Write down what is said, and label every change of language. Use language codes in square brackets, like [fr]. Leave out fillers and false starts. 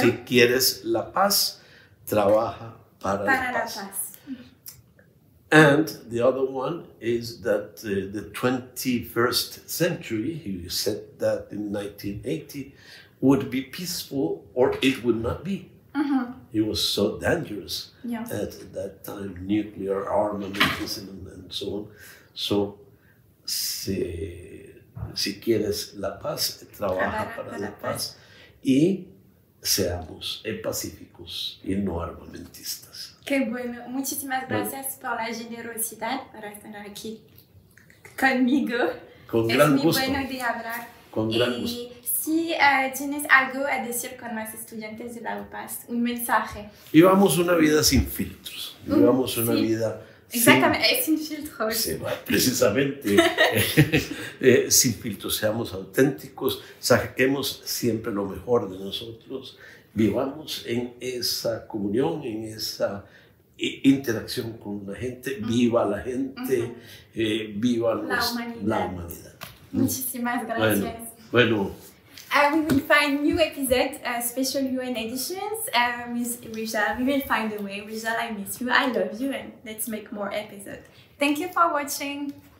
[es] si quieres la paz, trabaja para la paz. [en] And the other one is that the 21st century, he said that in 1980, would be peaceful or it would not be. Mm-hmm. It was so dangerous yeah. at that time, nuclear armaments and so on. [es] So, si quieres la paz, trabaja para la paz. Y seamos pacíficos y no armamentistas. Qué bueno. Muchísimas gracias por la generosidad para estar aquí conmigo. Con gran gusto. Es muy bueno de hablar. Con gran gusto. Y si tienes algo a decir con los estudiantes de la UPAS, un mensaje. Vivamos una vida sin filtros. Vivamos una vida... Exactamente, es sin filtros. Sí, precisamente, sin filtros, seamos auténticos, saquemos siempre lo mejor de nosotros, vivamos en esa comunión, en esa interacción con la gente, viva la gente, viva la humanidad. Muchísimas gracias. Bueno. [en] We will find new episodes, special UN editions with Rijal. We will find a way. Rijal, I miss you. I love you. And let's make more episodes. Thank you for watching.